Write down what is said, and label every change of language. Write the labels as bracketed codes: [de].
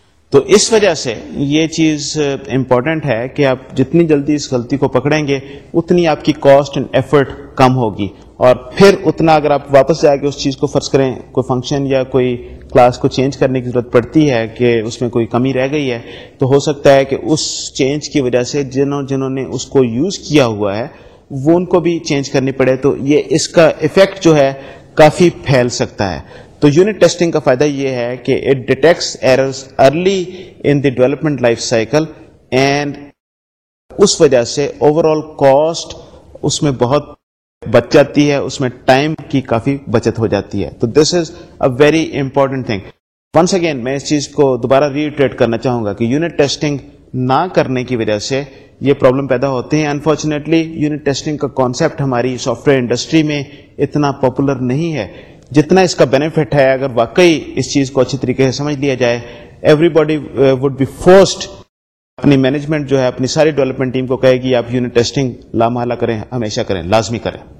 [ur] تو اس وجہ سے یہ چیز امپورٹنٹ ہے کہ آپ جتنی جلدی اس غلطی کو پکڑیں گے اتنی آپ کی کاسٹ اینڈ ایفرٹ کم ہوگی, اور پھر اتنا اگر آپ واپس جا کے اس چیز کو فرض کریں, کوئی فنکشن یا کوئی کلاس کو چینج کرنے کی ضرورت پڑتی ہے کہ اس میں کوئی کمی رہ گئی ہے, تو ہو سکتا ہے کہ اس چینج کی وجہ سے جنہوں نے اس کو یوز کیا ہوا ہے وہ ان کو بھی چینج کرنی پڑے, تو یہ اس کا ایفیکٹ جو ہے کافی پھیل سکتا ہے. تو یونٹ ٹیسٹنگ کا فائدہ یہ ہے کہ [en] it detects errors early in the development life cycle, [ur] and اس وجہ سے اوور آل کاسٹ اس میں بہت بچ جاتی ہے, اس میں ٹائم کی کافی بچت ہو جاتی ہے. [en] تو this is a very important thing. [ur] Once again میں اس چیز کو دوبارہ ریٹریٹ کرنا چاہوں گا کہ یونٹ ٹیسٹنگ نہ کرنے کی وجہ سے یہ پرابلم پیدا ہوتے ہیں. انفارچونیٹلی یونٹ ٹیسٹنگ کا کانسیپٹ ہماری سافٹ ویئر انڈسٹری میں اتنا پاپولر نہیں ہے جتنا اس کا بینیفٹ ہے. اگر واقعی اس چیز کو اچھی طریقے سے سمجھ لیا جائے, [en] everybody would be forced, [ur] اپنی مینجمنٹ جو ہے اپنی ساری ڈیولپمنٹ ٹیم کو کہے گی آپ یونٹ ٹیسٹنگ لامحالہ کریں, ہمیشہ کریں, لازمی کریں.